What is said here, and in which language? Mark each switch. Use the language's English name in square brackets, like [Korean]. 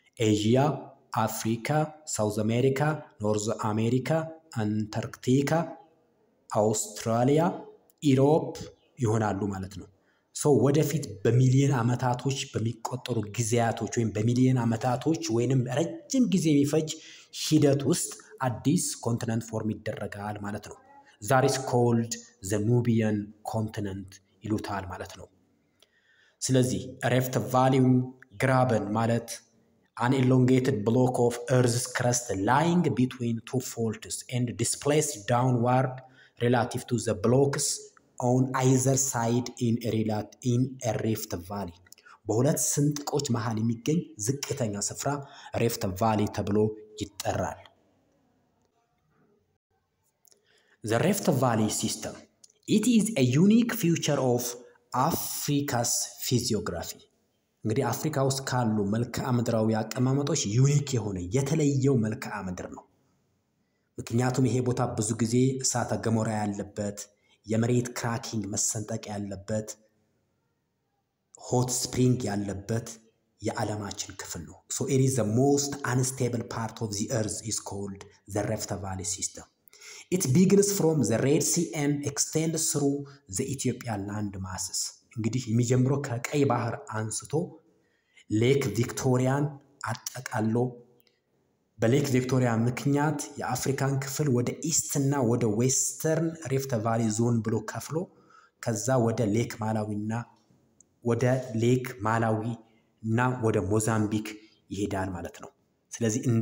[Amharic] ኤዥያ፣ አፍሪካ፣ ሳውዝ አሜሪካ፣ ኖርዝ አሜሪካ፣ አንታርክቲካ፣ አውስትራሊያ፣ ኢሮፕ ይሆናሉ ማለት ነው። ሰው ወደፊት በሚሊዮን ዓመታቶች በሚቆጠሩ ጊዜያቶች ወይም በሚሊዮን ዓመታቶች ወይንም ረጅም ጊዜ የሚፈጅ ሂደት ውስጥ አዲስ ኮንቲነንት ፎርም ይደረጋል ማለት ነው። [English] That is called the Nubian continent. [Amharic] ይሉታል ማለት ነው። ስለዚህ [English] Rift Valley Graben ማለት an elongated block of earth's crust lying between two faults and displaced downward relative to the blocks on either side in a rift valley. [Amharic] በሁለት ስንጥቆች መሃል የሚገኝ ዝቅተኛ ስፍራ Rift Valley ተብሎ ይጠራል። [English] The Rift Valley system. It is a unique feature of Africa's physiography. [Amharic] እንግዲህ አፍሪካ ውስጥ ካሉ መልክዓ ምድራዊ አቀማመጦች ዩኒክ የሆነ የተለየው መልክዓ ምድር ነው። ምክንያቱም ይሄ ቦታ ብዙ ጊዜ እሳተ ገሞራ ያለበት የመሬት ክራኪንግ መሰንጠቅ ያለበት hot spring ያለበት የዓለማችን ክፍል ነው። [English] So it is the most unstable part of the earth is called the Rift Valley system. It begins from the Red Sea and extends through the Ethiopian land masses. [Amharic] እንግዲህ የሚጀምረው ከቀይ ባህር አንስቶ ሌክ ቪክቶሪያን አጠቃሎ በሌክ ቪክቶሪያ ምክንያት የአፍሪካን ክፍል ወደ ኢስት እና ወደ ዌስተርን Rift Valley ዞን ብሎ ከፍሎ ከዛ ወደ ሌክ ማላዊና ወደ ሌክ ማላዊና ወደ ሞዛምቢክ ይሄዳል ማለት ነው። ስለዚህ